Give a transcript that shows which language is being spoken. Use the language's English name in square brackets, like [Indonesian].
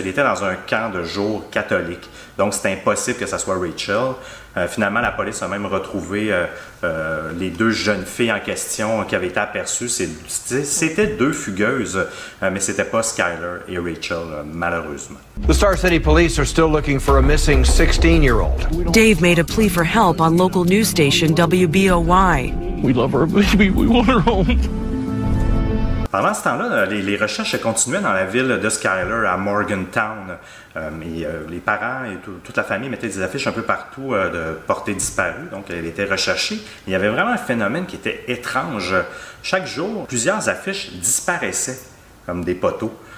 [French] Elle était dans un camp de jour catholique. Donc, c'est impossible que ça soit Rachel. Finalement, la police a même retrouvé les deux jeunes filles en question qui avaient été aperçues. C'était deux fugueuses, mais c'était pas Skyler et Rachel, malheureusement. [English] The Star City Police are still looking for a missing 16-year-old. Dave made a plea for help on local news station WBOY. We love her baby, we want her home. [French] Pendant ce temps-là, les recherches continuaient dans la ville de Skyler à Morgantown. Les parents et toute la famille mettaient des affiches un peu partout de portée disparue, donc elle était recherchée. Il y avait vraiment un phénomène qui était étrange. Chaque jour, plusieurs affiches disparaissaient, comme des poteaux.